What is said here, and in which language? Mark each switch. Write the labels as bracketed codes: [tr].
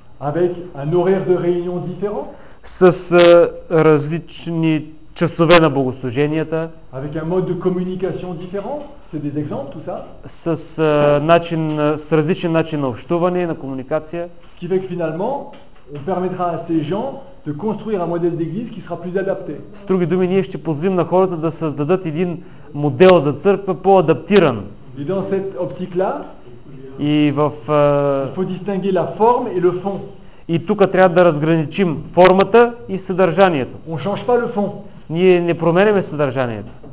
[fr] Avec un horaire de réunion différent. [bg] С различни часове на богослуженията. [fr] Avec un mode de communication différent. C'est des exemples, tout ça. [bg] С начин, с различен начин на общуване, на комуникация. [fr] Ce qui fait que finalement, on permettra à ces gens de construire un modèle d'église qui sera plus adapté. [bg] С други думи, ние ще позволим на хората да създадат един модел за църква по-адаптиран. [fr] Et dans cette optique-là, [bg] и в, [fr] il faut distinguer la forme et le fond. [bg] И тук трябва да разграничим формата и съдържанието. [fr] On change pas le fond. [bg] Ние не променяме съдържанието.